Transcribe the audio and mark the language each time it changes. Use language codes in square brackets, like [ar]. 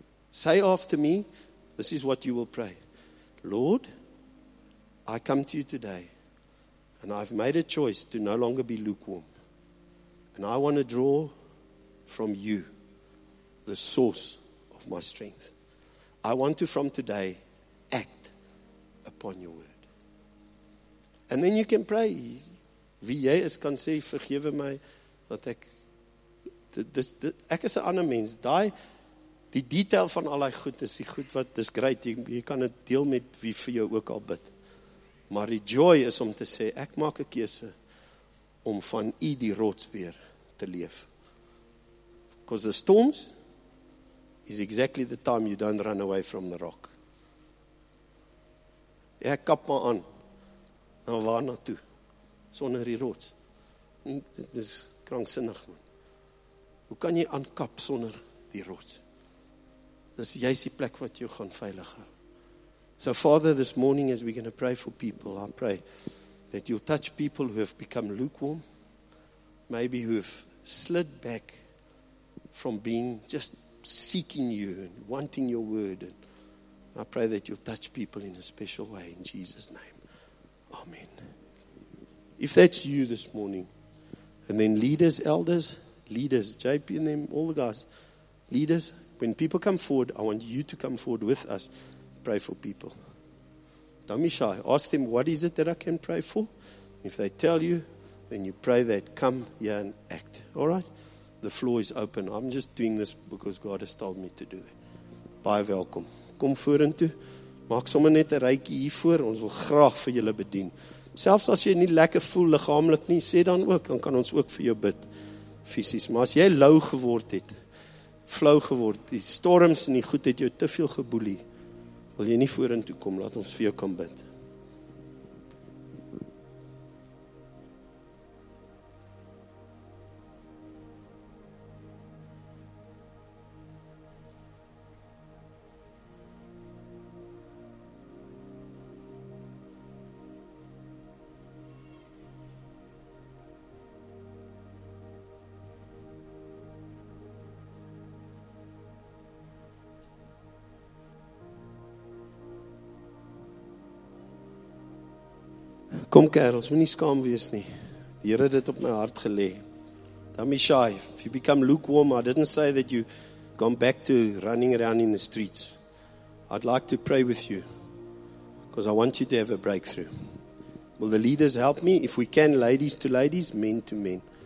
[en] Say after me, this is what you will pray. Lord, I come to you today. And I've made a choice to no longer be lukewarm. And I want to draw from you, the source of my strength. I want to, from today, act upon your word. And then you can pray. [af] Wie jy is kan sê, vergewe my, dat ek, ek is 'n ander mens. Die detail van al die goed is die goed wat, dis great. Jy kan het deel met wie vir jou ook al bid. Maar die joy is om te sê, ek maak 'n keuse om van u die rots weer te leef. [en] Because the storms is exactly the time you don't run away from the rock. [af] Ek kap maar aan. Nou waar na toe? Sonder die rots. Dit is krankzinnig, man. Hoe kan jy aankap sonder die rots? Dis juist die plek wat jou gaan veilig hou. [en] So Father, this morning as we're going to pray for people, I pray that you'll touch people who have become lukewarm, maybe who have slid back from being just seeking you and wanting your word. And I pray that you'll touch people in a special way in Jesus' name. Amen. If that's you this morning, and then leaders, elders, leaders, JP and them, all the guys, leaders, when people come forward, I want you to come forward with us. Pray for people. Don't be shy. Ask them, what is it that I can pray for? If they tell you, then you pray that, come here and act. All right? The floor is open. I'm just doing this because God has told me to do that. [af] Baie welkom. Kom vorentoe. Maak sommer net 'n reikie hiervoor. Ons wil graag vir julle bedien. Selfs as jy nie lekker voel liggaamlik nie, sê dan ook, dan kan ons ook vir jou bid. Fisies. Maar as jy lou geword het, flou geword, die storms en die goed het jou te veel geboelie, wil jy nie vorentoe kom, laat ons vir jou kan bid. Kom kerels, moet nie skaam wees nie. Die Here het dit op my hart gelê. [en] Don't be shy. If you become lukewarm, I didn't say that you gone back to running around in the streets. I'd like to pray with you. Because I want you to have a breakthrough. Will the leaders help me? If we can, ladies to ladies, men to men.